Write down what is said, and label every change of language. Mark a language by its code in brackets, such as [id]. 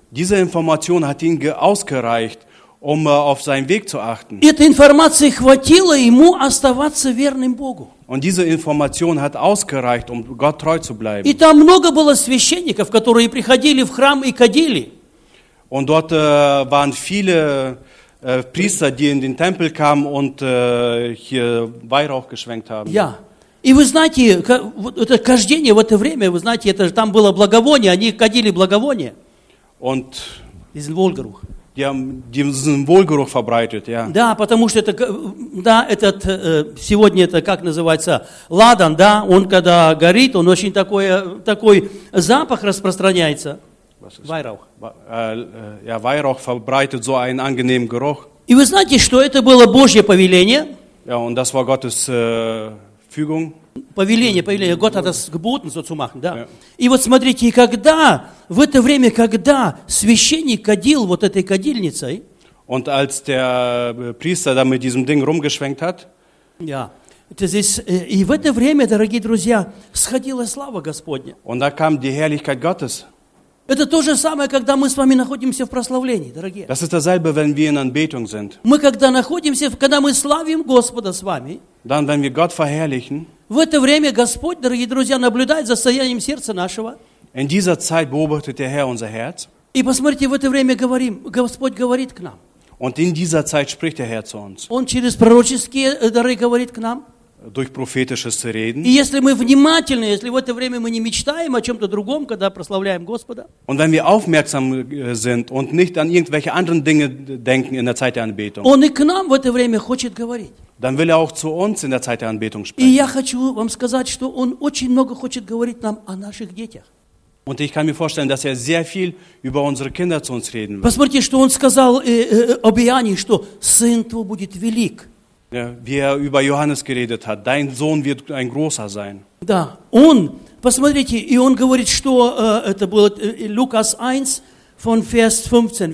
[de] Diese Information hat ihm ausgereicht, um auf seinen Weg zu achten. [ru] Этой информации хватило ему оставаться верным Богу. [de] Und diese Information hat ausgereicht, um Gott treu zu bleiben. [ru] И там много было священников, которые приходили в храм и кадили. [de] Und dort waren viele Priester, die in den Tempel kamen und hier Weihrauch geschwenkt haben. Ja. [ru] И вы знаете, это каждение в это время, вы знаете, это же там было благовоние, они кадили благовоние. [de] Und diesen Wohlgeruch. Die haben diesen Wohlgeruch verbreitet, ja. [ru] Да, потому что это, да, этот, сегодня это как называется, ладан, да, он когда горит, он очень такой запах распространяется. [de] Weihrauch. Ja, Weihrauch verbreitet so einen angenehmen Geruch. [ru] И вы знаете, что это было Божье повеление? [de] Ja, und das war Gottes Fügung. [ru] Повеление, [de] Gott hat das geboten, so zu machen, да. [ru] И вот смотрите, когда, в это время, когда священник кадил вот этой кадильницей, [de] und als der Priester da mit diesem Ding rumgeschwenkt hat, ja, das ist, [ru] и в это время, дорогие друзья, сходила слава Господня. [de] Und da kam die Herrlichkeit Gottes. [ru] Это то же самое, когда мы с вами находимся в прославлении, дорогие. [de] Das ist dasselbe, wenn wir in Anbetung sind. [ru] Мы когда находимся, когда мы славим Господа с вами, [de] dann wenn wir Gott verherrlichen, [ru] в это время Господь, дорогие друзья, наблюдает за состоянием сердца нашего. [de] In dieser Zeit beobachtet der Herr unser Herz. [ru] И посмотрите, в это время говорим, Господь говорит к нам. [de] Und in dieser Zeit spricht der Herr zu uns. [ru] Он через пророческие дары говорит к нам. [de] Durch prophetisches Reden. [ru] И если мы внимательны, если в это время мы не мечтаем о чем-то другом, когда прославляем Господа. [de] Und wenn wir aufmerksam sind und nicht an irgendwelche anderen Dinge denken in der Zeit der Anbetung. [ru] Он и к нам в это время хочет говорить. [de] Dann will er auch zu uns in der Zeit der Anbetung sprechen. [ru] И я хочу вам сказать, что он очень много хочет говорить нам о наших детях. [de] Und ich kann mir vorstellen, dass er sehr viel über unsere Kinder zu uns reden wird. [ru] Посмотрите, что он сказал об Иоанне, что сын твой будет велик. [de] Wie er über Johannes geredet hat, dein Sohn wird ein großer sein. [ru] Да, он, посмотрите, и он говорит, что это было [de] Lukas 1 von Vers 15.